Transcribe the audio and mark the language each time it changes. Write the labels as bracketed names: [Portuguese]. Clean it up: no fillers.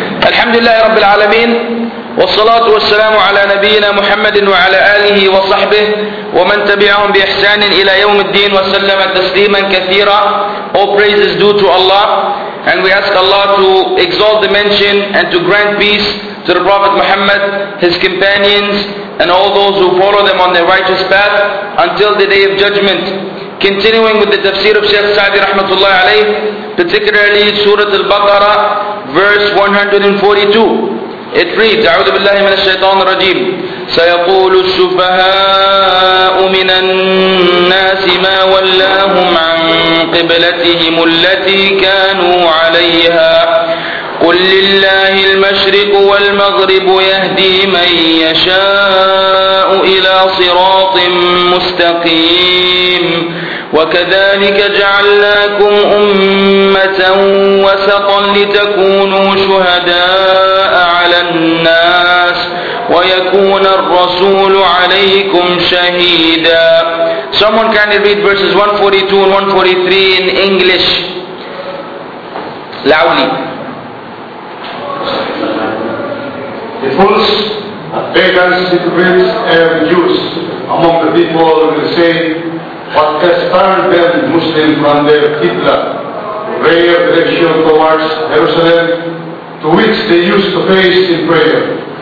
[Arabic] الحمد لله رب العالمين والصلاة والسلام على نبينا محمد وعلى آله وصحبه ومن تبعهم بإحسان إلى يوم الدين وسلم تسليما كثيرا. [English] All praises due to Allah, and we ask Allah to exalt the mention and to grant peace to the Prophet Muhammad, his companions, and all those who follow them on their righteous path until the day of judgment. Continuing with the tafsir of Shaykh Sa'di [Arabic] rahmatullahi alayh, [English] particularly Surah Al-Baqarah, verse 142. It reads, [Arabic] أعوذ بالله من الشيطان الرجيم سيقول السفهاء من الناس ما ولاهم عن قبلتهم التي كانوا عليها قل لله المشرق والمغرب يهدي من يشاء إلى صراط مستقيم وكذلك جعلناكم أمة وسطا لتكونوا شهداء على الناس ويكون الرسول عليكم شهيدا. [English] Someone can read verses 142 and 143 in English loudly. The fools, pagans, hypocrites, and Jews among the people will say, what has turned them Muslim from their qibla, ray of direction towards Jerusalem, to which they used to face in prayer?